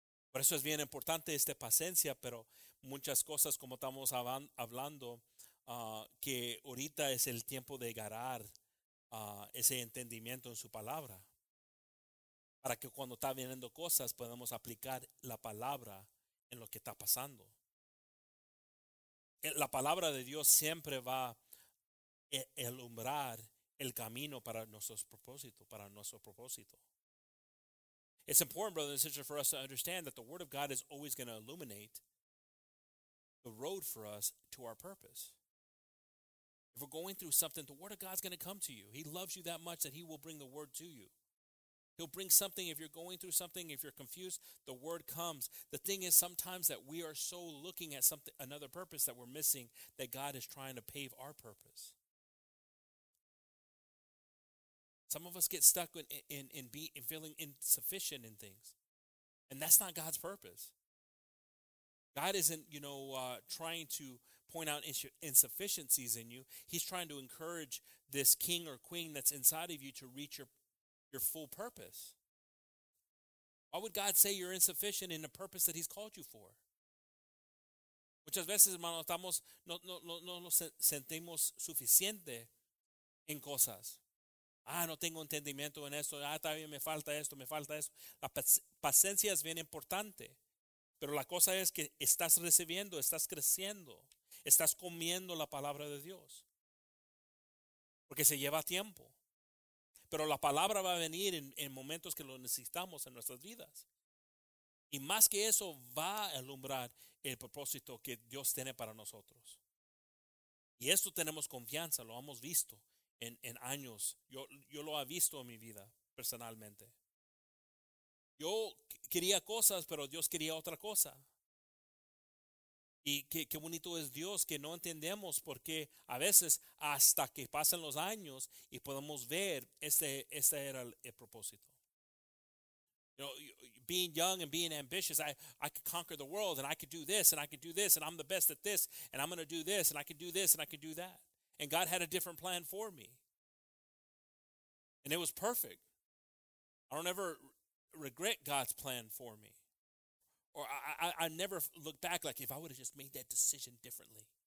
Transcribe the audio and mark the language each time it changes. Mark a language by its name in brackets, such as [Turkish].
[Spanish] Por eso es bien importante esta paciencia, pero muchas cosas, como estamos hablando, que ahorita es el tiempo de agarrar ese entendimiento en su palabra, para que cuando está viniendo cosas, podamos aplicar la palabra en lo que está pasando. La palabra de Dios siempre va a alumbrar el camino para nuestro propósito, para nuestro propósito. [English] It's important, brothers and sisters, for us to understand that the Word of God is always going to illuminate the road for us to our purpose. If we're going through something, the Word of God is going to come to you. He loves you that much that He will bring the Word to you. He'll bring something. If you're going through something, if you're confused, the Word comes. The thing is, sometimes that we are so looking at something, another purpose that we're missing, that God is trying to pave our purpose. Some of us get stuck in feeling insufficient in things. And that's not God's purpose. God isn't, trying to point out insufficiencies in you. He's trying to encourage this king or queen that's inside of you to reach your full purpose. Why would God say you're insufficient in the purpose that he's called you for? [Spanish] Muchas veces, hermano, estamos no nos sentimos suficiente en cosas. Ah, no tengo entendimiento en esto. Ah, todavía me falta esto. La paciencia es bien importante. Pero la cosa es que estás recibiendo, estás creciendo. Estás comiendo la palabra de Dios. Porque se lleva tiempo. Pero la palabra va a venir en momentos que lo necesitamos en nuestras vidas. Y más que eso, va a alumbrar el propósito que Dios tiene para nosotros. Y esto tenemos confianza, lo hemos visto. En años, yo lo he visto en mi vida personalmente. Yo quería cosas, pero Dios quería otra cosa. Y qué bonito es Dios, que no entendemos por qué a veces, hasta que pasan los años y podemos ver, este era el propósito. [English] Being young and being ambitious, I could conquer the world, and I could do this, and I could do this, and I'm the best at this, and I'm going to do this, and I could do this, and I could do that. And God had a different plan for me. And it was perfect. I don't ever regret God's plan for me. Or I never look back like, if I would have just made that decision differently.